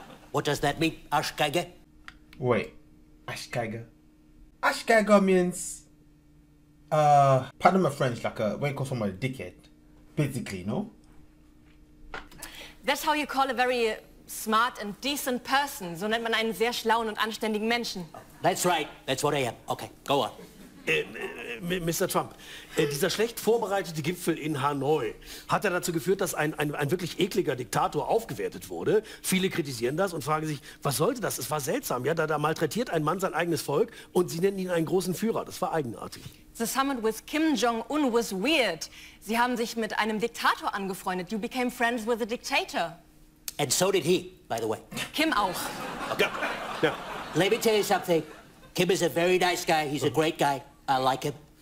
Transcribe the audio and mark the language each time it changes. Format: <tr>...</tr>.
<en>What does that mean, Arschgeige? Wait, Arschgeige. Arschgeige means, pardon my French, like when you call someone a dickhead, basically, no? That's how you call a very smart and decent person.</en> <de>So nennt man einen sehr schlauen und anständigen Menschen.</de> <en>That's right, that's what I am. Okay, go on.</en> <de>Mr. Trump, dieser schlecht vorbereitete Gipfel in Hanoi hat ja dazu geführt, dass ein wirklich ekliger Diktator aufgewertet wurde. Viele kritisieren das und fragen sich, was sollte das? Es war seltsam, ja, da malträtiert ein Mann sein eigenes Volk und sie nennen ihn einen großen Führer. Das war eigenartig.</de> <en>The summit with Kim Jong-un was weird.</en> <de>Sie haben sich mit einem Diktator angefreundet.</de> <en>You became friends with a dictator. And so did he, by the way.</en> <de>Kim auch.</de> <en>Okay. Yeah. Let me tell you something. Kim is a very nice guy. He's a great guy. I like him.</en>